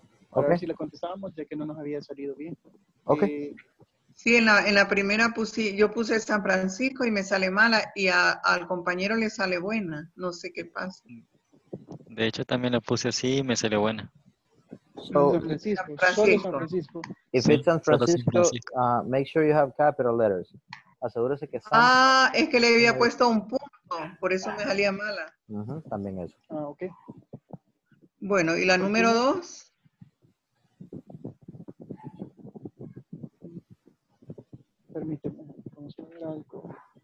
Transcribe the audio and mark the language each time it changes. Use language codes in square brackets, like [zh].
[es] Okay. A ver si le contestábamos, ya que no nos había salido bien. Ok. Sí, en la primera yo puse San Francisco y me sale mala, y al compañero le sale buena. No sé qué pasa. De hecho, también la puse así y me sale buena. [en] So, San Francisco. If it's San Francisco, make sure you have capital letters. [es] Asegúrese que San. Ah, es que le había puesto un punto, por eso me salía mala. Uh-huh, también eso. Ah, okay. Bueno, y la número dos. Permíteme, vamos a ver algo.